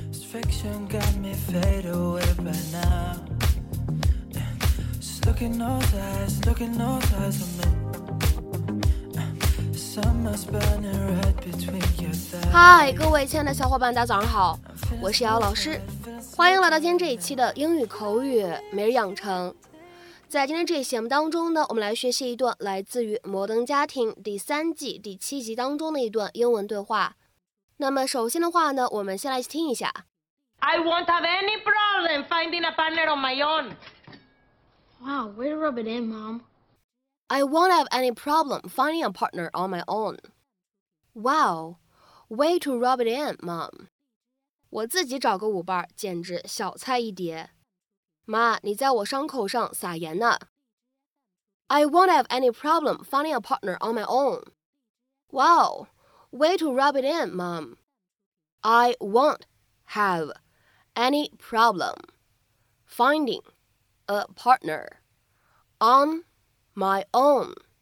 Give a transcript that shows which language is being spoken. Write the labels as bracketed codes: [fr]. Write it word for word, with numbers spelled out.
[en] fiction got me fade away by now. Just look in those eyes, look in those eyes I'm in. Summer's burning right between your thighs. [zh] 嗨，各位亲爱的小伙伴，大家早上好，我是姚老师，欢迎来到今天这一期的英语口语每日养成。在今天这一节目当中呢，我们来学习一段来自于《摩登家庭》第三季第七集当中的一段英文对话。那么首先的话呢，我们先来听一下。 [en] I won't have any problem finding a partner on my own. Wow, way to rub it in, Mom. I won't have any problem finding a partner on my own. Wow, way to rub it in, Mom. [zh] 我自己找个舞伴简直小菜一碟。妈，你在我伤口上撒盐呢。 [en] I won't have any problem finding a partner on my own. Wow, way to rub it in, Mom. I won't have any problem finding a partner on my own.